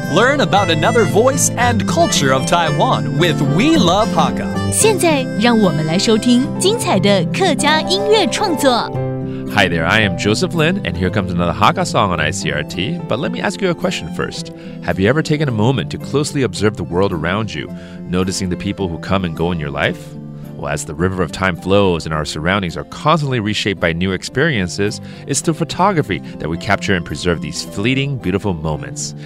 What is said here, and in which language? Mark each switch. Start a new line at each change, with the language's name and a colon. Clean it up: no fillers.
English: Learn about another voice and culture of Taiwan with We Love Hakka。
Chinese: 现在让我们来收听精彩的客家音乐创作。
English: Hi there, I am Joseph Lin, and here comes another Hakka song on ICRT. But let me ask you a question first. Have you ever taken a moment to closely observe the world around you, noticing the people who come and go in your life? Well, as the river of time flows and our surroundings are constantly reshaped by new experiences, it's through photography that we capture and preserve these fleeting, beautiful moments.